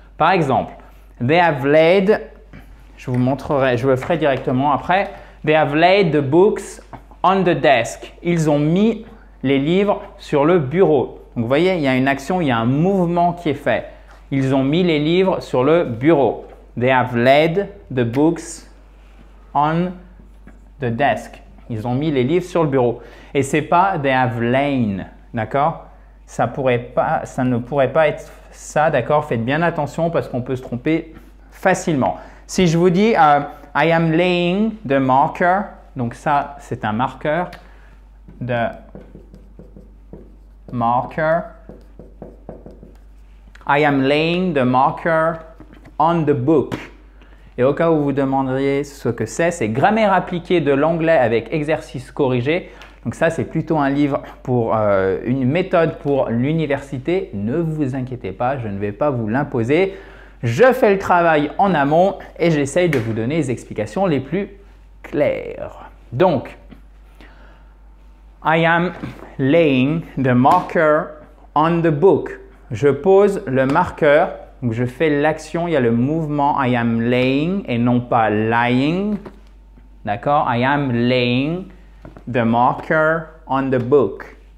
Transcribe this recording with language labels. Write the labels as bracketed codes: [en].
[fr] Par exemple, [en] they have laid, [fr] je vous montrerai, je le ferai directement après, [en] they have laid the books on the desk. [fr] Ils ont mis les livres sur le bureau. Donc, vous voyez, il y a une action, il y a un mouvement qui est fait. Ils ont mis les livres sur le bureau. [en] They have laid the books on the desk. [fr] Ils ont mis les livres sur le bureau. Et ce n'est pas [en] they have lain, [fr] d'accord? Ça ne pourrait pas être ça, d'accord? Faites bien attention parce qu'on peut se tromper facilement. Si je vous dis [en] I am laying the marker, [fr] donc ça, c'est un marqueur de marker [en] I am laying the marker on the book. [fr] Et au cas où vous demanderiez ce que c'est grammaire appliquée de l'anglais avec exercice corrigé. Donc ça, c'est plutôt un livre pour une méthode pour l'université. Ne vous inquiétez pas, je ne vais pas vous l'imposer. Je fais le travail en amont et j'essaye de vous donner les explications les plus claires. [en] Donc, I am laying the marker on the book. [fr] Je pose le marqueur, donc je fais l'action, il y a le mouvement. [en] I am laying [fr] et non pas lying. D'accord? [en] I am laying the marker on the book.